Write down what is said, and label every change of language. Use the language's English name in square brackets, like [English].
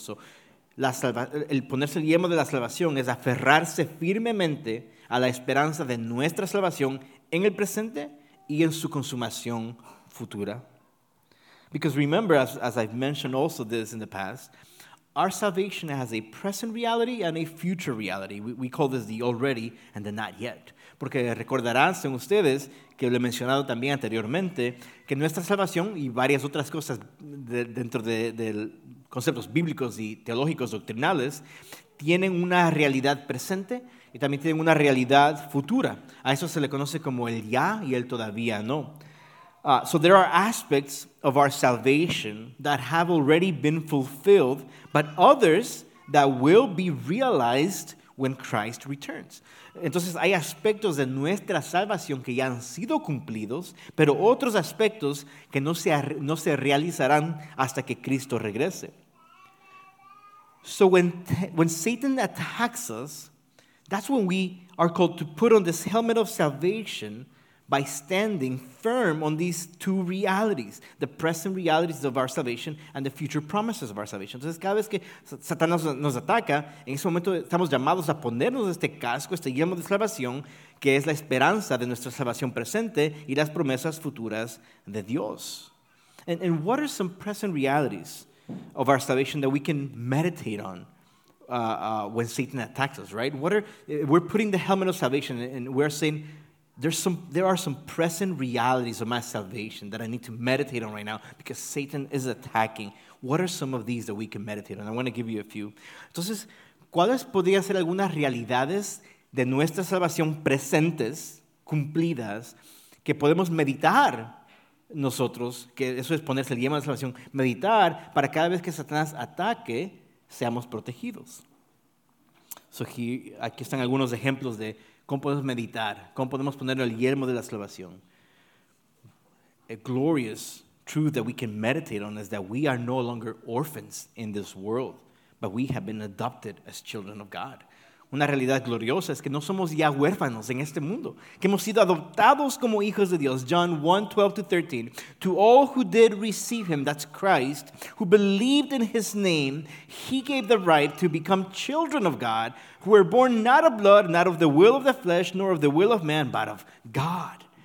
[Spanish] So, el ponerse el yelmo de la salvación es aferrarse firmemente a la esperanza de nuestra salvación en el presente y en su consumación futura. [English] Because remember, as I've mentioned also this in the past, our salvation has a present reality and a future reality. We call this the already and the not yet. [Spanish] Porque recordarán ustedes que lo he mencionado también anteriormente, que nuestra salvación y varias otras cosas dentro de conceptos bíblicos y teológicos doctrinales tienen una realidad presente y también tienen una realidad futura. A eso se le conoce como el ya y el todavía no. [English] So there are aspects of our salvation that have already been fulfilled, but others that will be realized when Christ returns. [Spanish] Entonces, hay aspectos de nuestra salvación que ya han sido cumplidos, pero otros aspectos que no se realizarán hasta que Cristo regrese. [English] So when Satan attacks us, that's when we are called to put on this helmet of salvation by standing firm on these two realities, the present realities of our salvation and the future promises of our salvation. [Spanish] Entonces, cada vez que Satanás nos ataca, en ese momento estamos llamados a ponernos este casco, este yelmo de salvación, que es la esperanza de nuestra salvación presente y las promesas futuras de Dios. [English] And what are some present realities of our salvation that we can meditate on? When Satan attacks us, right? We're putting the helmet of salvation and we're saying, There are some present realities of my salvation that I need to meditate on right now because Satan is attacking. What are some of these that we can meditate on? I want to give you a few. [Spanish] Entonces, ¿cuáles podrían ser algunas realidades de nuestra salvación presentes, cumplidas, que podemos meditar nosotros, que eso es ponerse el yelmo de salvación, meditar para cada vez que Satanás ataque, seamos protegidos? So aquí están algunos ejemplos de ¿cómo podemos meditar? ¿Cómo podemos poner el yelmo de la salvación? [English] A glorious truth that we can meditate on is that we are no longer orphans in this world, but we have been adopted as children of God. [Spanish] Una realidad gloriosa es que no somos ya huérfanos en este mundo, que hemos sido adoptados como hijos de Dios. [English] John 1, 12 to 13. To all who did receive him, that's Christ, who believed in his name, he gave the right to become children of God, who were born not of blood, not of the will of the flesh, nor of the will of man, but of God.